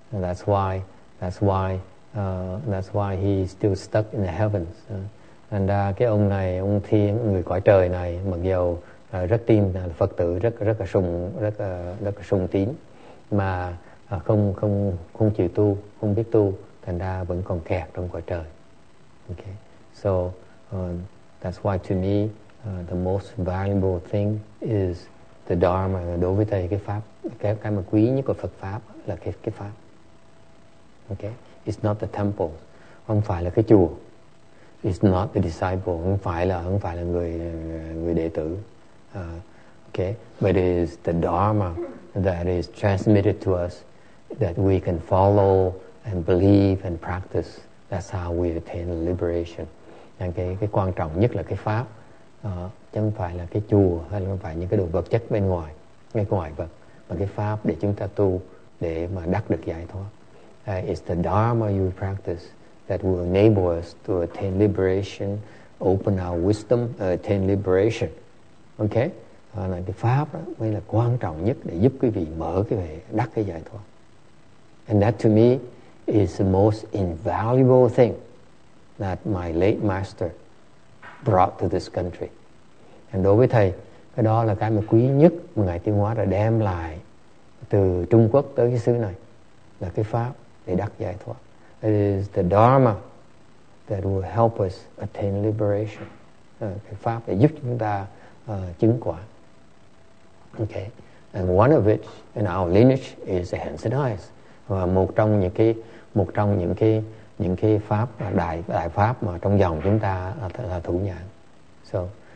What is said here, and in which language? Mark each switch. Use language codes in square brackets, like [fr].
[en] That's why he's still stuck in the heavens. [vi] And cái ông này, ông thiên, người cõi trời này, mặc dù rất tin Phật tử, rất sùng tín, mà không chịu tu, không biết tu. Thành ra vẫn còn kẹt trong cõi trời. Okay. [en] So that's why to me the most valuable thing is the Dharma. [vi] Đối với thầy cái mà quý nhất của Phật pháp là cái pháp. [en] Okay. It's not the temple. [vi] Không phải là cái chùa. [en] It's not the disciple. [vi] Không phải là người đệ tử. [en] Okay. But it is the Dharma that is transmitted to us that we can follow and believe and practice. That's how we attain liberation. [vi] Nên cái quan trọng nhất là cái pháp, chứ không phải là cái chùa hay là không phải những cái đồ vật chất bên ngoài, ngay ngoài vật, mà cái pháp để chúng ta tu để mà đắc được giải thoát. [en] It's the Dharma you practice that will enable us to attain liberation, open our wisdom, attain liberation. Okay? [vi] Là cái pháp đó mới là quan trọng nhất để giúp quý vị mở cái về đắc cái giải thoát. [en] And that to me is the most invaluable thing that my late master brought to this country. [vi] And đối với thầy, cái đó là cái mà quý nhất mà Ngài Tiên Hóa đã đem lại từ Trung Quốc tới cái xứ này, là cái pháp để đắc giải thoát. [en] It is the Dharma that will help us attain liberation. [vi] Cái pháp để giúp chúng ta chứng quả. [en] Okay. And one of which in our lineage is the Hansen Eyes. [vi] Và một trong những cái pháp đại pháp mà trong dòng chúng ta là Thủ Nhãn.